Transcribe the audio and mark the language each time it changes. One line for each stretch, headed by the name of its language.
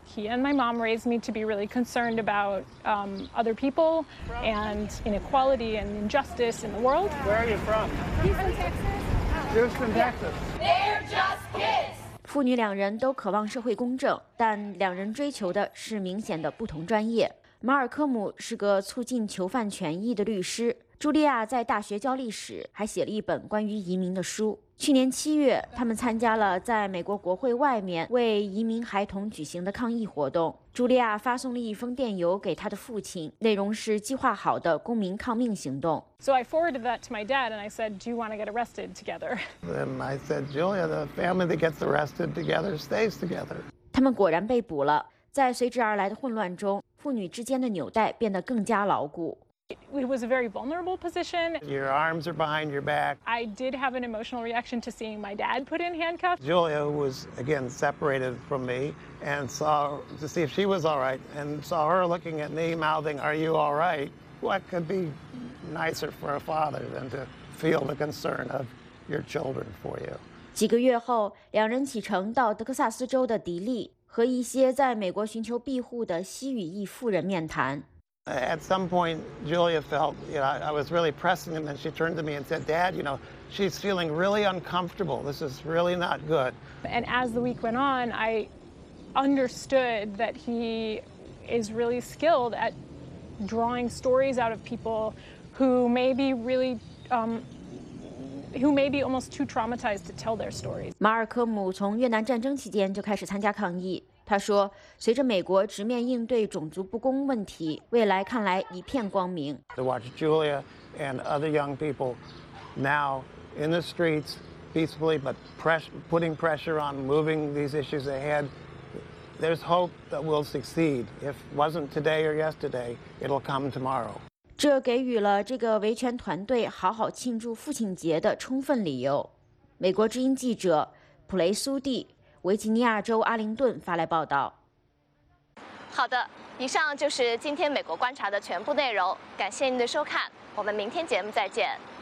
English: He and my mom raised me to be really concerned about other people and inequality and injustice in the world. Where are you from? He's from Texas. He's from Texas. They're just kids.
Chinese: 父女两人都渴望社会公正，但两人追求的是明显的不同专业。马尔科姆是个促进囚犯权益的律师，茱莉亚在大学教历史，还写了一本关于移民的书。去年七月，他们参加了在美国国会外面为移民孩童举行的抗议活动。茱莉亚发送了一封电邮给她的父亲，内容是计划好的公民抗命行动。
English: So I forwarded that to my dad and I said, "Do you want to get arrested together?" And I said, "Julia, the family that gets arrested together stays together."
Chinese: 他们果然被捕了。在随之而来的混乱中，父女之间的纽带变得更加牢固。
English: It was a very vulnerable position. Your arms are behind your back. I did have an emotional reaction to seeing my dad put in handcuffs. Julia was again separated from me and saw to see if she was all right and saw her looking at me mouthing, "Are you all right?" What could be nicer for a father than to feel the concern of your children for you?
Chinese: 几个月后，两人启程到德克萨斯州的迪利，和一些在美国寻求庇护的西语裔妇人面谈。
English: At some point, Julia felt, you know, I was really pressing him, and she turned to me and said, "Dad, you know, she's feeling really uncomfortable. This is really not good." And as the week went on, I understood that he is really skilled at drawing stories out of people who may be really, who may be almost too traumatized to tell their stories.
Chinese: 马尔科姆从越南战争期间就开始参加抗议。他说，随着美国直面应对种族不公问题，未来看来一片光明。
English: To watch Julia and other young people now in the streets peacefully, but putting pressure on moving these issues ahead, there's hope that we'll succeed. If it wasn't today or yesterday, it'll come tomorrow.
Chinese: 这给予了这个维权团队好好庆祝父亲节的充分理由。美国之音记者普雷苏蒂，维吉尼亚州阿灵顿发来报道。好的，以上就是今天美国观察的全部内容，感谢您的收看，我们明天节目再见。